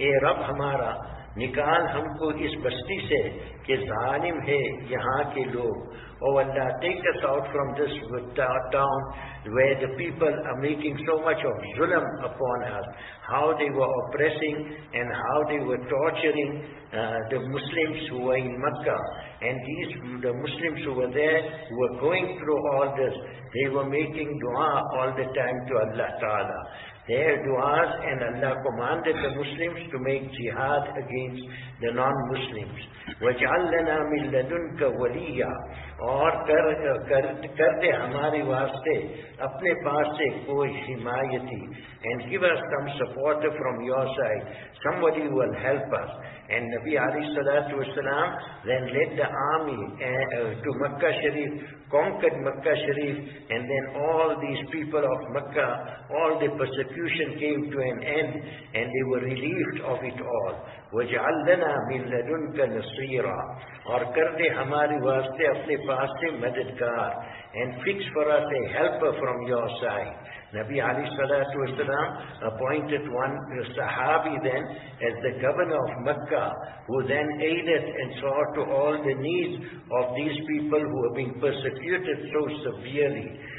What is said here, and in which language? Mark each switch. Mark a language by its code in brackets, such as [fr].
[ur] اے رب ہمارا, نکال ہم کو اس بستی سے کہ ظالم ہے یہاں کے لوگ. [en] Oh Allah, take us out from this town where the people are making so much of zulm upon us. How they were oppressing and how they were torturing the Muslims who were in Makkah. And these, the Muslims who were there, who were going through all this, they were making dua all the time to Allah Ta'ala. Their duas, and Allah commanded the Muslims to make jihad against the non-Muslims. [ar] وَجْعَلَّنَا مِنْ لَدُنْكَ وَلِيَّا. [ur] اور کر دے ہمارے واسطے اپنے پاس سے کوئی حمایتی. [en] And give us some support from your side. Somebody will help us. And Nabi alayhi salatu wasalam then led the army to Makkah Sharif, conquered Makkah Sharif, and then all these people of Makkah, all the persecution came to an end, and they were relieved of it all. [ar] وَجْعَلَّنَا مِنْ لَدُنْكَ نَصِيرًا. [ur] اور کر دے ہماری واسطے اپنے پاس سے مددگار. [en] And fix for us a helper from your side. Nabi alayhi salatu wasalam appointed one Sahabi then as the governor of Makkah, who then aided and saw to all the needs of these people who have been persecuted so severely.